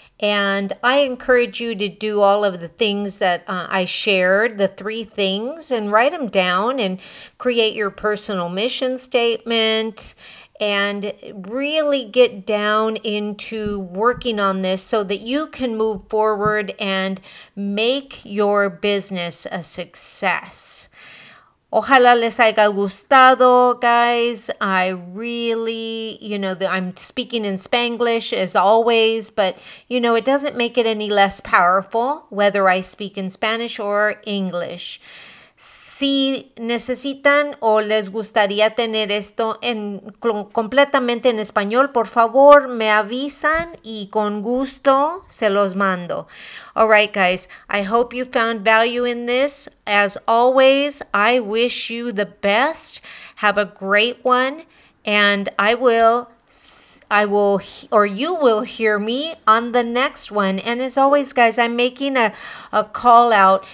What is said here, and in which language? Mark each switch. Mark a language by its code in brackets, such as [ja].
[en] And I encourage you to do all of the things that I shared, the three things, and write them down and create your personal mission statement and really get down into working on this so that you can move forward and make your business a success. [es] Ojalá les haya gustado, [en] guys. I really, you know, I'm speaking in Spanglish as always, but, you know, it doesn't make it any less powerful whether I speak in Spanish or English. [es] Si necesitan o les gustaría tener esto en completamente en español, por favor, me avisan y con gusto se los mando. [en] All right, guys, I hope you found value in this. As always, I wish you the best. Have a great one, and you will hear me on the next one. And as always, guys, I'm making a call out.